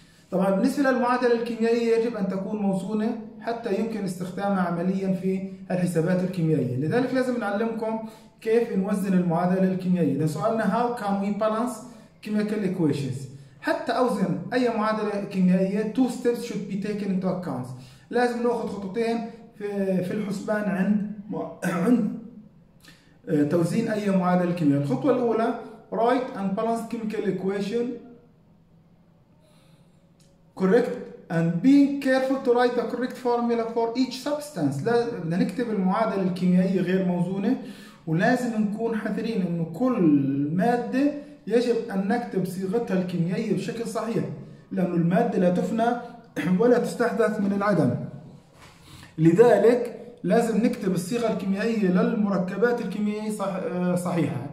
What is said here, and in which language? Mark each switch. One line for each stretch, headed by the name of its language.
Arabic: طبعا بالنسبة للمعادلة الكيميائية يجب أن تكون موزونة حتى يمكن استخدامها عمليا في الحسابات الكيميائية، لذلك لازم نعلمكم كيف نوزن المعادلة الكيميائية. ده سؤالنا
English: how can we balance chemical equations.
Arabic: حتى أوزن أي معادلة كيميائية
English: two steps should be taken into account،
Arabic: لازم نأخذ خطوتين في الحسبان عند توزين أي معادلة كيميائية. الخطوة الأولى
English: write and balance chemical equation correct and being careful to write the correct formula for each substance.
Arabic: لازم نكتب المعادلة الكيميائية غير موزونة ولازم نكون حذرين إنه كل مادة يجب أن نكتب صيغتها الكيميائية بشكل صحيح، لأن المادة لا تفنى ولا تستحدث من العدم. لذلك لازم نكتب الصيغة الكيميائية للمركبات الكيميائية صحيحة.